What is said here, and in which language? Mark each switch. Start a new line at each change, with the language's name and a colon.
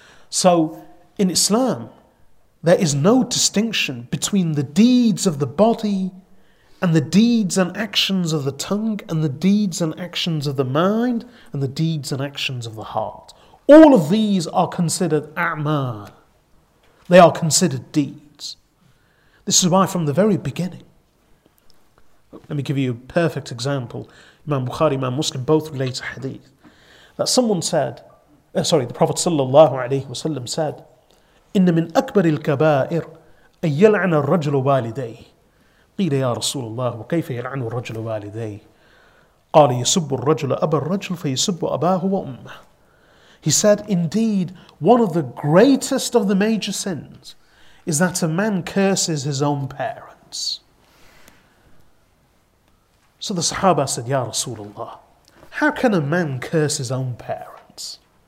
English: So in Islam, there is no distinction between the deeds of the body and the deeds and actions of the tongue, and the deeds and actions of the mind, and the deeds and actions of the heart. All of these are considered a'mal. They are considered deeds. This is why from the very beginning, let me give you a perfect example. Imam Bukhari, Imam Muslim, both relate a hadith. That someone said, the Prophet sallallahu alayhi wasallam said,
Arabic: إِنَّ مِنْ أَكْبَرِ الْكَبَائِرِ أَنْ يَلْعَنَ الرَّجْلُ وَالِدَيْهِ قيل يا رسول الله وكيف يلعن الرجل والديه قال يسب الرجل أبا الرجل فيسب أباه وأمه.
English: He said, indeed, one of the greatest of the major sins is that a man curses his own parents. So the Sahaba said,
Arabic: يا رسول الله,
English: how can a man curse his own parents?